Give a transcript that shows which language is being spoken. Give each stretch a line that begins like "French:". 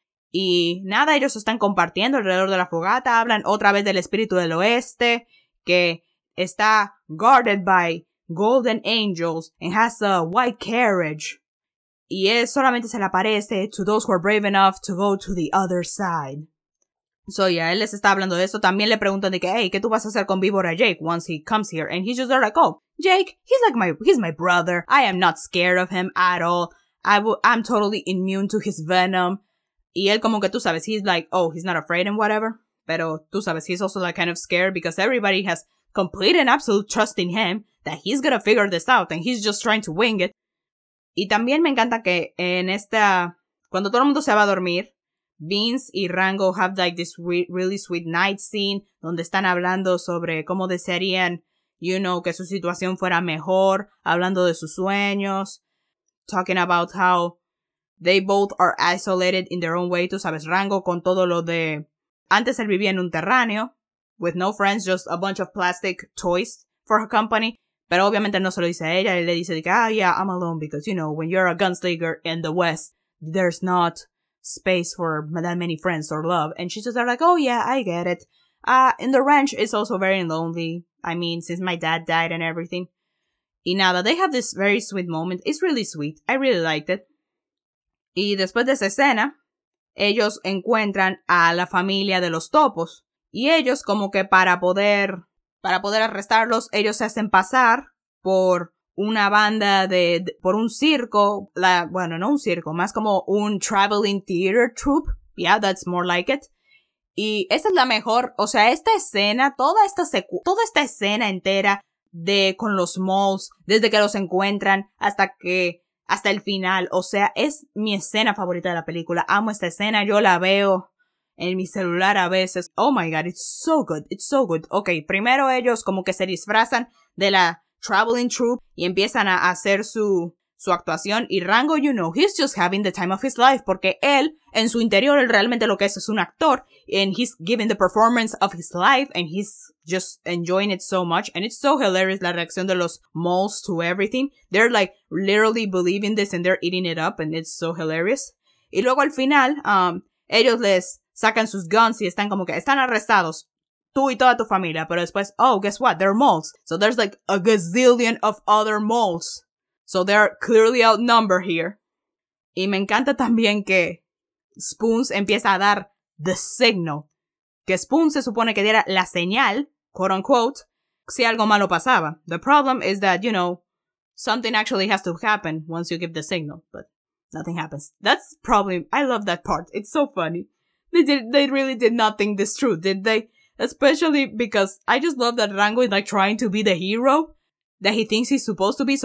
Spanish: Y nada, ellos están compartiendo alrededor de la fogata, hablan otra vez del espíritu del oeste, que está
English: guarded by golden angels and has a white carriage.
Spanish: Y él solamente se le aparece
English: to those who are brave enough to go to the other side. So yeah,
Spanish: él les está hablando de eso. También le preguntan de que, hey, ¿qué tú vas a hacer con Víbora Jake
English: once he comes here? And he's just there like, oh, Jake, he's my brother. I am not scared of him at all. I'm totally immune to his venom.
Spanish: Y él como que tú sabes,
English: he's like, oh, he's not afraid and whatever.
Spanish: Pero tú sabes,
English: he's also like kind of scared because everybody has complete and absolute trust in him that he's gonna figure this out and he's just trying to wing it.
Spanish: Y también me encanta que en esta, cuando todo el mundo se va a dormir, Vince y Rango
English: have like this really sweet night scene
Spanish: donde están hablando sobre cómo desearían,
English: you know,
Spanish: que su situación fuera mejor, hablando de sus sueños,
English: talking about how They both are isolated in their own way.
Spanish: Tú sabes, Rango con todo lo de... Antes él vivía en un terráneo.
English: With no friends, just a bunch of plastic toys for her company.
Spanish: Pero obviamente no se lo dice a ella. Él le dice,
English: yeah, I'm alone. Because, you know, when you're a gunslinger in the West, there's not space for that many friends or love. And she's just there like, oh yeah, I get it. In the ranch, it's also very lonely. I mean, since my dad died and everything.
Spanish: Y nada,
English: they have this very sweet moment. It's really sweet. I really liked it.
Spanish: Y después de esa escena, ellos encuentran a la familia de los topos. Y ellos, como que para poder arrestarlos, ellos se hacen pasar por una banda de por un circo. Bueno, no un circo, más como un
English: traveling theater troupe. Yeah, that's more like it.
Spanish: Y esta es la mejor, o sea, esta escena, toda esta escena entera de con los malls, desde que los encuentran hasta el final, o sea, es mi escena favorita de la película. Amo esta escena, yo la veo en mi celular a veces.
English: Oh my god, it's so good.
Spanish: Okay, primero ellos como que se disfrazan de la
English: traveling troupe
Spanish: y empiezan a hacer su actuación. Y Rango,
English: you know, he's just having the time of his life,
Spanish: porque él, en su interior, él realmente lo que es un actor,
English: and he's giving the performance of his life, and he's just enjoying it so much, and it's so hilarious,
Spanish: la reacción de los
English: moles to everything. They're like, literally believing this, and they're eating it up, and it's so hilarious.
Spanish: Y luego al final, ellos les sacan sus guns, y están como que, están arrestados, tú y toda tu familia, pero después,
English: oh, guess what, they're moles. So there's like a gazillion of other moles. So they're clearly outnumbered here.
Spanish: Y me encanta también que Spoons empieza a dar
English: the signal.
Spanish: Que Spoons se supone que diera la señal, quote unquote, si algo malo pasaba.
English: The problem is that, you know, something actually has to happen once you give the signal. But nothing happens. That's probably, I love that part. It's so funny. They really did not think this through, did they? Especially because I just love that Rango is like trying to be the hero that he thinks he's supposed to be.